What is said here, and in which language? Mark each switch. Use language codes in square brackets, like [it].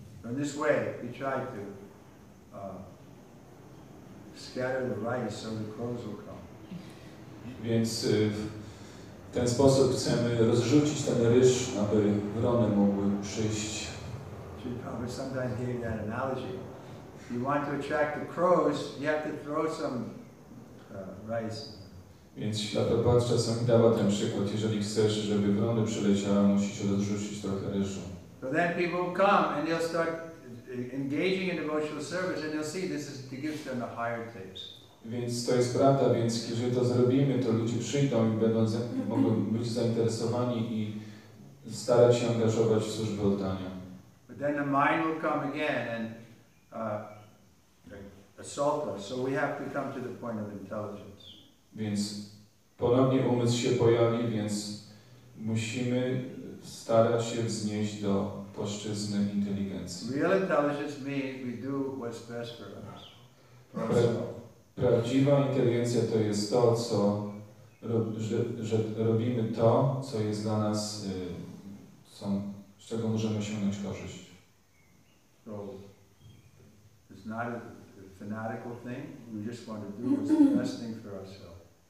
[en] In this way, we try to scatter the rice so the crows will come. [pl] Więc w ten sposób chcemy rozrzucić ten ryż, aby wrony mogły przyjść. [en] You probably sometimes hear that analogy. If you want to attract the crows, you have to throw some rice. [pl] Więc Śladopad czasami dawa ten przykład. Jeżeli chcesz, żeby wrony przyleciały, musisz odrzucić trochę ryżu. [en] So then people will come and they'll start engaging in devotional service and they'll see this is to give them the higher taste. [pl] Więc to jest prawda, więc jeżeli to zrobimy, to ludzie przyjdą i będą mogą być zainteresowani i starać się angażować w służbę oddania. [en] But then the mind will come again and assault us. So we have to come to the point of intelligence. [pl] Więc ponownie umysł się pojawi, więc musimy starać się wznieść do płaszczyzny inteligencji. [en] Real intelligence means we do what's best for us. [pl] Prawdziwa inteligencja to jest to, co że robimy to, co jest dla nas, z czego możemy osiągnąć korzyść. [en] So, it's not a fanatical thing. We just want to do what's the best thing for ourselves.